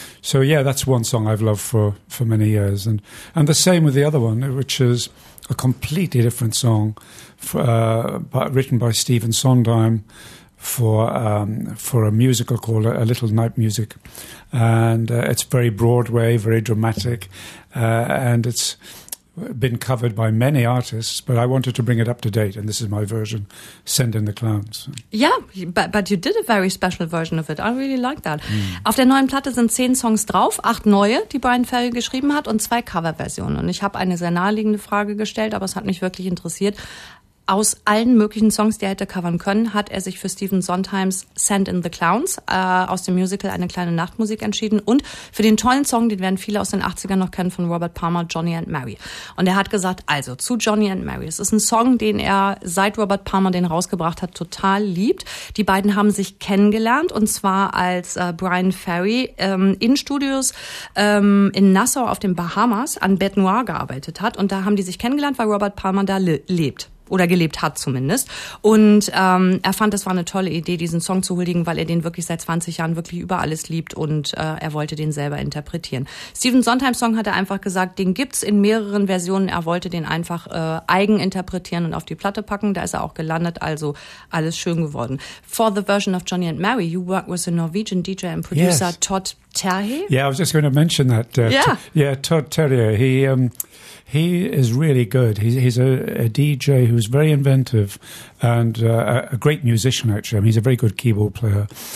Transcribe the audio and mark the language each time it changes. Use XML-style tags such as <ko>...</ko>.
<en>So yeah, that's one song I've loved for many years, and the same with the other one, which is a completely different song, written by Stephen Sondheim for a musical called A Little Night Music, and it's very Broadway, very dramatic. And it's been covered by many artists, but I wanted to bring it up to date, and this is my version, Send in the Clowns. Yeah, but you did a very special version of it. I really like that. Mm.</en> <de>Auf der neuen Platte sind 10 Songs drauf, 8 neue, die Brian Ferry geschrieben hat, und 2 Coverversionen. Und ich habe eine sehr naheliegende Frage gestellt, aber es hat mich wirklich interessiert. Aus allen möglichen Songs, die er hätte covern können, hat er sich für Stephen Sondheims Send in the Clowns aus dem Musical Eine kleine Nachtmusik entschieden und für den tollen Song, den werden viele aus den 80ern noch kennen, von Robert Palmer, Johnny and Mary. Und er hat gesagt, also zu Johnny and Mary. Es ist ein Song, den er, seit Robert Palmer den rausgebracht hat, total liebt. Die beiden haben sich kennengelernt und zwar als Brian Ferry in Studios in Nassau auf den Bahamas an Bête Noire gearbeitet hat. Und da haben die sich kennengelernt, weil Robert Palmer da lebt. Oder gelebt hat zumindest. Und er fand, das war eine tolle Idee, diesen Song zu huldigen, weil er den wirklich seit 20 Jahren wirklich über alles liebt und er wollte den selber interpretieren. Stephen Sondheims Song hat er einfach gesagt, den gibt's in mehreren Versionen. Er wollte den einfach eigen interpretieren und auf die Platte packen. Da ist er auch gelandet, also alles schön geworden.</de> <en>For the version of Johnny and Mary, you work with the Norwegian DJ and producer Todd Terje. Yeah, I was just going to mention that. Todd Terje, he is really good. He's a DJ who's very inventive and a great musician, actually. I mean, he's a very good keyboard player.</en>